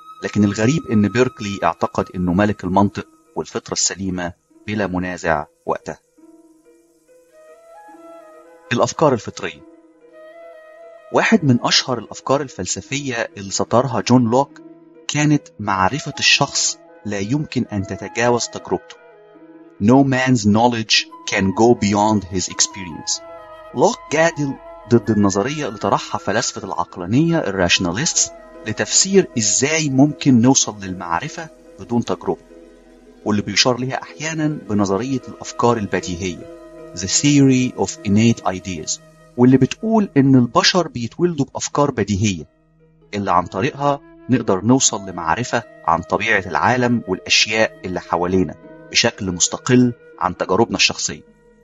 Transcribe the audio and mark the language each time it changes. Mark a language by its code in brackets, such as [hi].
[ar] لكن الغريب ان بيركلي اعتقد انه ملك المنطق والفطرة السليمة بلا منازع وقتها. الافكار الفطرية. واحد من اشهر الافكار الفلسفية اللي سطرها جون لوك كانت معرفة الشخص لا يمكن ان تتجاوز تجربته. [en] No man's knowledge can go beyond his experience. [ar] لوك جادل ضد النظرية اللي طرحها فلسفة العقلانية الراشناليست لتفسير إزاي ممكن نوصل للمعرفة بدون تجربة، واللي بيشار لها أحياناً بنظرية الأفكار البديهية The Theory of Innate Ideas، واللي بتقول إن البشر بيتولدوا بأفكار بديهية اللي عن طريقها نقدر نوصل لمعرفة عن طبيعة العالم والأشياء اللي حوالينا بشكل مستقل عن تجاربنا الشخصية.